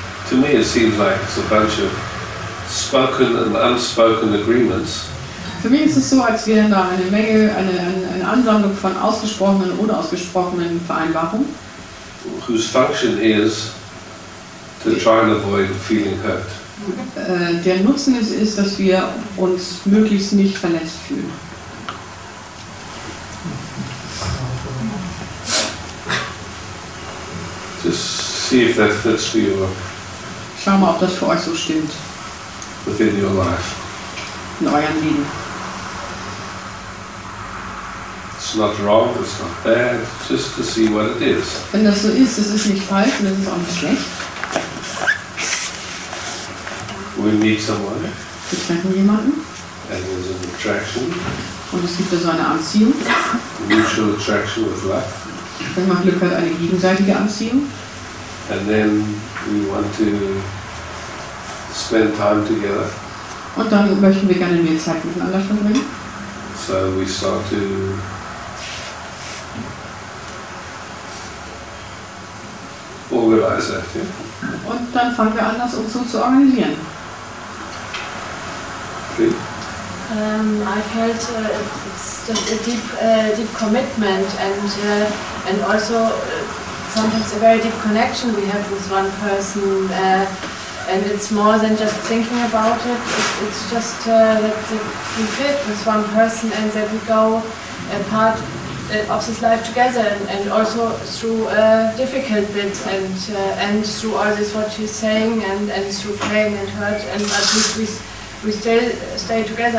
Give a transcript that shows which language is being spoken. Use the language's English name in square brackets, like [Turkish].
[English] To me it seems like it's a bunch of spoken and unspoken agreements. [German] Für mich ist es so, als wären da eine Menge, eine Ansammlung von ausgesprochenen und unausgesprochenen Vereinbarungen. [English] Whose function is to try and avoid feeling hurt. [German] Der Nutzen ist, dass wir uns möglichst nicht verletzt fühlen. [English] Just see if that fits for you. [German] Schau mal, ob das für euch so stimmt. [English] Within your life. [German] In eurem Leben. [English] It's not wrong, it's not bad, just to see what it is. [German] Wenn das so ist, es ist nicht falsch und es ist auch nicht schlecht. [English] We meet someone. [German] Wir treffen jemanden. [English] And there's a attraction. [German] Und es gibt da so eine Anziehung. [English] Mutual attraction with luck. [German] Wenn man Glück hat, eine gegenseitige Anziehung. [English] And then we want to spend time together. [German] Und dann möchten wir gerne mehr Zeit miteinander verbringen. [English] So we start to organize that, yeah? [German] Und dann fangen wir an, das um so zu organisieren. [English] I felt just a deep commitment and also sometimes a very deep connection we have with one person and it's more than just thinking about it. It's just that we fit with one person and that we go a part of this life together and also through difficult bits and through all this what she's saying and through pain and hurt and at least we stay together.